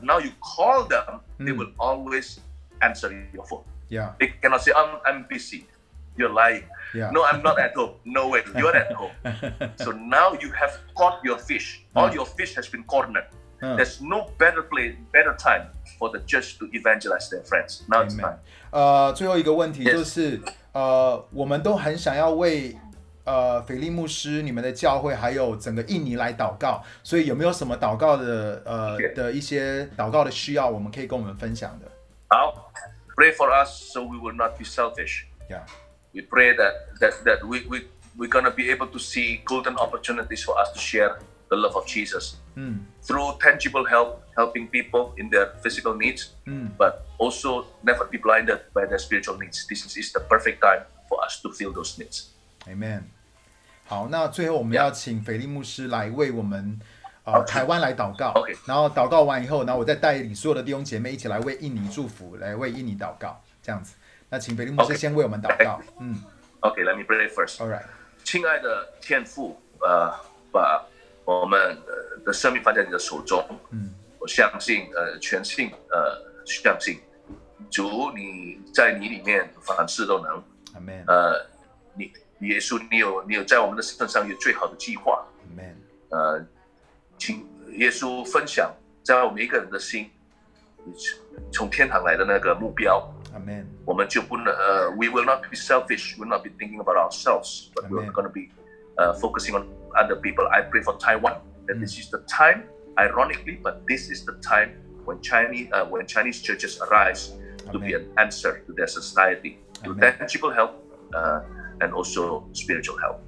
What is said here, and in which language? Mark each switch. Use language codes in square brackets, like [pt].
[en] Now you call them, they will always answer your phone. Yeah. They cannot say, I'm busy. You're lying. Yeah. No, I'm not at home. No way. You're at home. So now you have caught your fish. All your fish has been cornered. There's no better place, better time for the church to evangelize their friends. Now it's time. [zh] 最后一个问题就是，我们都很想要为腓力牧师、你们的教会还有整个印尼来祷告，所以有没有什么祷告的的一些祷告的需要，我们可以跟我们分享的？ [en] 好 ，Pray for us so we will not be selfish. Yeah. We pray that we're going to be able to see golden opportunities for us to share the love of Jesus through tangible help, helping people in their physical needs, but also never be blinded by their spiritual needs. This is the perfect time for us to fill those needs. Amen. [zh] 好，那最后我们要请斐利牧师来为我们台湾来祷告。 [en] Okay. [zh] 然后祷告完以后，然后我再带领所有的弟兄姐妹一起来为印尼祝福，来为印尼祷告，这样子。那请斐利牧师先为我们祷告。 [en] Okay. Let me pray first. All right. [zh] 亲爱的天父，把我们的生命放在你的手中。我相信，相信主你在你里面凡事都能。 [en] Amen. [zh] 耶稣，你有在我们的身上有最好的计划。 [en] Amen. [zh] 请耶稣分享在我们一个人的心，从天堂来的那个目标。 [en] Amen. [zh] 我们就不能 [en] we will not be selfish, we will not be thinking about ourselves, but we're going to be focusing on other people. I pray for Taiwan. That this is the time, ironically, but this is the time when Chinese churches arise to be an answer to their society, to tangible help, and also spiritual help.